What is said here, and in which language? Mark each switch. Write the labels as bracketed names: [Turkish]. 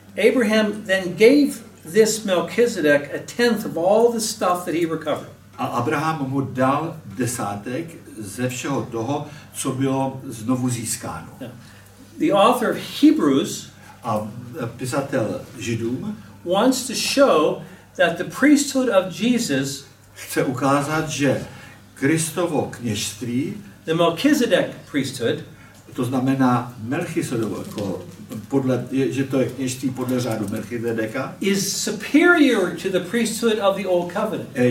[English] Abraham then gave this Melchizedek a tenth of all the stuff that he recovered. [Czech] A Abraham mu dal desátek ze všeho toho, co bylo znovu získáno. [English] Yeah. The author of Hebrews [Czech] Pisatel Židům [English] wants to show that the priesthood of Jesus [Czech] chce ukázat, že Kristovo kněžství, [English] the Melchizedek priesthood, [Czech] to znamená Melchizedek, že to je kněžství podle řádu Melchizedeka, [English] is superior to the priesthood of the old covenant.